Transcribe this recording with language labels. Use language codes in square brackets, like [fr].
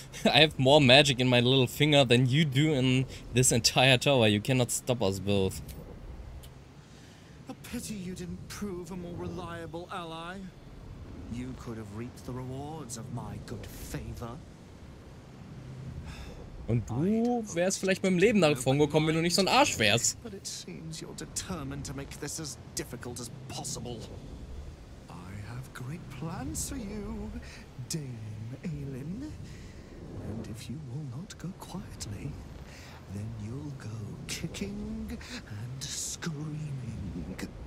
[en] I have more magic in my little finger than you do in this entire tower. You cannot stop us both. A pity you didn't prove a more reliable ally. You could have reaped the rewards of my good favor. [de] Und du wärst vielleicht mit dem Leben davon gekommen, wenn du nicht so ein Arsch wärst. [en] But it seems you're determined to make this as difficult as possible. I have great plans for you, Dame Aelin. And if you will not go quietly, then you'll go kicking and screaming.